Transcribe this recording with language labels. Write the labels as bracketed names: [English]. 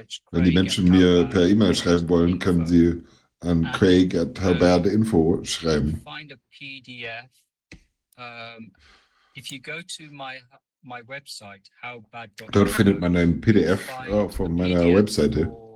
[German] Wenn die Menschen mir per E-Mail schreiben wollen, können sie an craig@howbadinfo schreiben. [English] Find a PDF. If you go to my website, howbad.info, [German] dort findet man ein PDF von meiner Webseite